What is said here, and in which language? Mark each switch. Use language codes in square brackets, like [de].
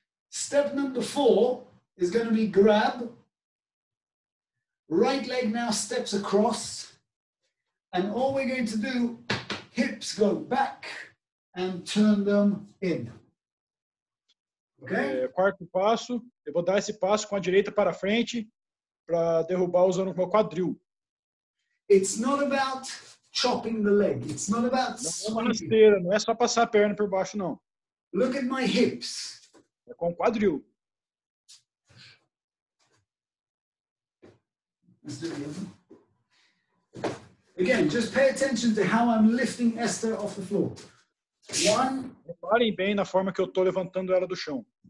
[en] Step number four is going to be grab. Right leg now steps across. And all we're going to do, hips go back and turn them in. Okay? [pt] Quarto passo, eu vou dar esse passo com a direita para frente para derrubar usando o meu quadril. [en] It's not about chopping the leg. It's not about sweeping. [pt] Não é só passar a perna por baixo, não. [en] Look at my hips. [pt] É com o quadril. [en] Again, just pay attention to how I'm lifting Esther off the floor. One. [pt] Reparem bem na forma que eu estou levantando ela do chão.